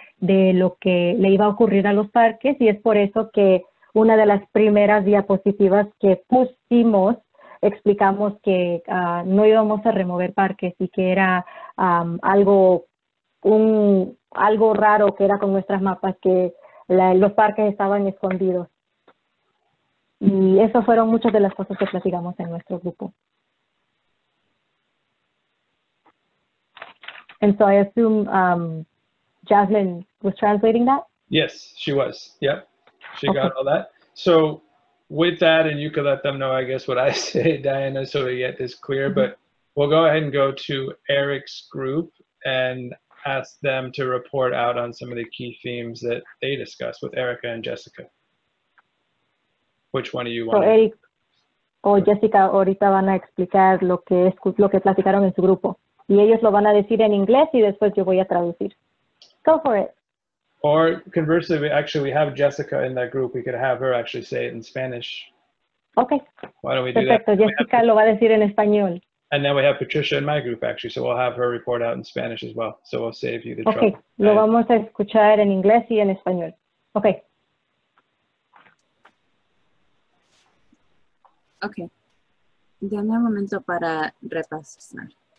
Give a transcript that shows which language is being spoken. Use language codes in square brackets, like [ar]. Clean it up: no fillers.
[es] de lo que le iba a ocurrir a los parques. Y es por eso que una de las primeras diapositivas que pusimos, explicamos que no íbamos a remover parques y que era algo un algo raro que era con nuestras mapas, que los parques estaban escondidos. Y eso fueron muchas de las cosas que platicamos en nuestro grupo. [en] And so I assume Jasmine was translating that? Yes, she was. Yep. She got all that. So with that, and you could let them know, I guess, what I say, Diana, so we get this clear, but we'll go ahead and go to Eric's group and ask them to report out on some of the key themes that they discussed with Erica and Jessica. Which one of you want? [es] So Eric or Jessica ahorita van a explicar lo que platicaron en su grupo. Y ellos lo van a decir en inglés y después yo voy a traducir. [en] Go for it. Or conversely, we have Jessica in that group. We could have her actually say it in Spanish. Okay. Why don't we [es] Perfecto. [en] Do that? [es] Perfecto. Jessica lo va a decir en español. [en] And then we have Patricia in my group, actually. So we'll have her report out in Spanish as well. So we'll save you the okay. trouble. Okay. [es] Lo vamos a escuchar en inglés y en español. [en] Okay. [es] Okay. Dame un momento para repasar.